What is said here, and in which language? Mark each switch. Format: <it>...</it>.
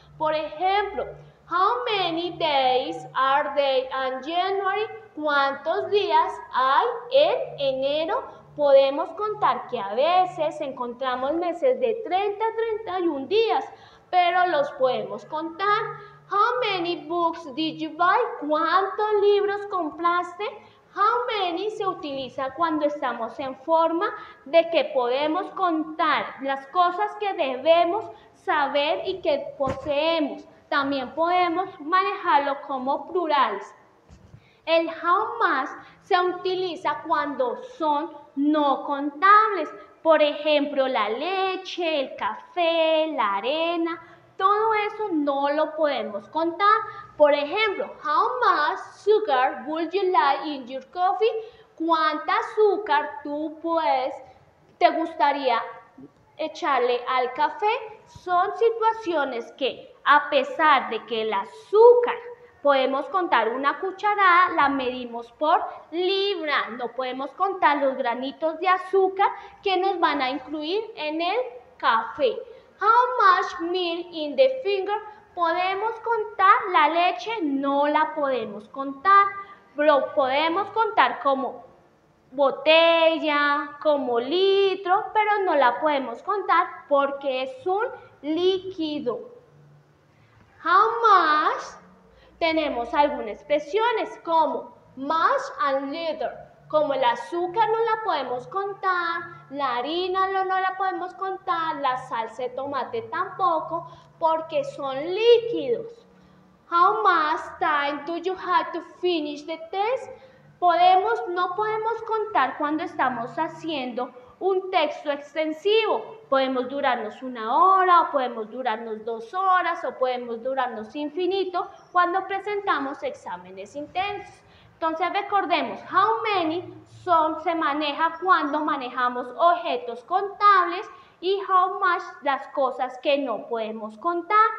<es>Por ejemplo,</es> <en>how many days are there in January?</en> <es>¿Cuántos días hay en enero? Podemos contar que a veces encontramos meses de 30 a 31 días, pero los podemos contar.</es> <en>How many books did you buy?</en> <es>¿Cuántos libros compraste? How many se utiliza cuando estamos en forma de que podemos contar las cosas que debemos saber y que poseemos. También podemos manejarlo como plurales. El how much se utiliza cuando son no contables. Por ejemplo, la leche, el café, la arena, todo eso no lo podemos contar. Por ejemplo,</es> <en>how much sugar would you like in your coffee?</en> <es>¿Cuánta azúcar tú puedes, te gustaría echarle al café? Son situaciones que, a pesar de que el azúcar podemos contar una cucharada, la medimos por libra. No podemos contar los granitos de azúcar que nos van a incluir en el café.</es> <en>How much milk in the finger?</en> <es>¿Podemos contar la leche? No la podemos contar. Lo podemos contar como botella, como litro, pero no la podemos contar porque es un líquido. How much? Tenemos algunas expresiones como much and little. Como el azúcar no la podemos contar, la harina no la podemos contar, la salsa de tomate tampoco, porque son líquidos.</es> <en>How much time do you have to finish the test?</en> <es>No podemos contar cuando estamos haciendo un texto extensivo. Podemos durarnos una hora, o podemos durarnos dos horas, o podemos durarnos infinito cuando presentamos exámenes intensos. Entonces recordemos, how many son se maneja cuando manejamos objetos contables y how much las cosas que no podemos contar.</es>